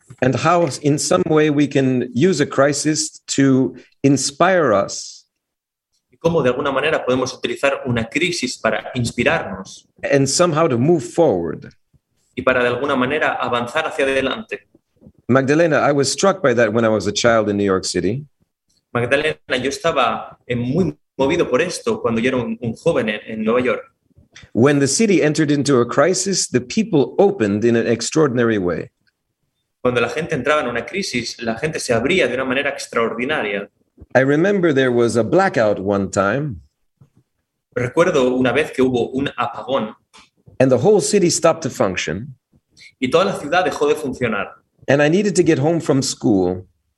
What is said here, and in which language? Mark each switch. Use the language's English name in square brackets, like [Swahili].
[English] And how, in some way, we can use a crisis to inspire us. [Spanish] Y cómo, de alguna manera, podemos utilizar una crisis para inspirarnos. [English] And somehow to move forward. [Spanish] Y para, de alguna manera, avanzar hacia adelante. [English] Magdalena, I was struck by that when I was a child in New York City. [Spanish] Magdalena, yo estaba muy movido por esto cuando yo era un joven en Nueva York. [English] When the city entered into a crisis, the people opened in an extraordinary way. [Spanish] Cuando la gente entraba en una crisis, la gente se abría de una manera extraordinaria. [English] I remember there was a blackout one time. [Spanish] Recuerdo una vez que hubo un apagón. [English] And the whole city stopped to function. [Spanish] Y toda la ciudad dejó de funcionar. [English] And I needed to get home from school.